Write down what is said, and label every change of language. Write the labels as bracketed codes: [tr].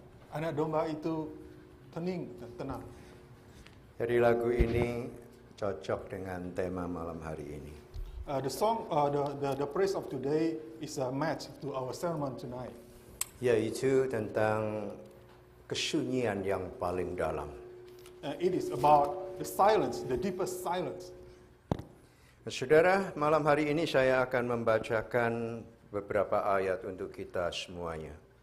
[id] Anak domba itu tening dan tenang. Jadi lagu ini cocok dengan tema malam hari ini. [en] The song, the praise of today is a match to our sermon tonight. [id] Yaitu tentang kesunyian yang paling dalam. [en] It is about the silence, the deepest silence. [id] Saudara, malam hari ini saya akan membacakan beberapa ayat untuk kita semuanya.